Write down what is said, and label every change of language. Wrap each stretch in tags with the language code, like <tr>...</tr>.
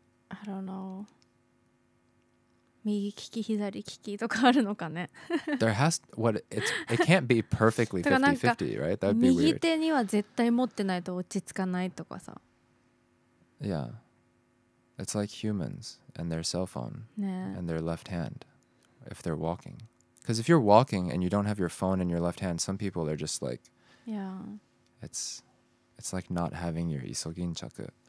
<en>I don't know.</en> <ja>右利き左利きとかあるのかね。</ja> <en>There has what it can't be perfectly 50-50, right? That'd be weird.</en> <ja>右手には絶対持ってないと落ち着かないとかさ。</ja> <en>Yeah, it's like humans and their cell phone and their left hand if they're walking. Because if you're walking and you don't have your phone in your left hand, some people are just like, it's like not having your isoginchaku.</en>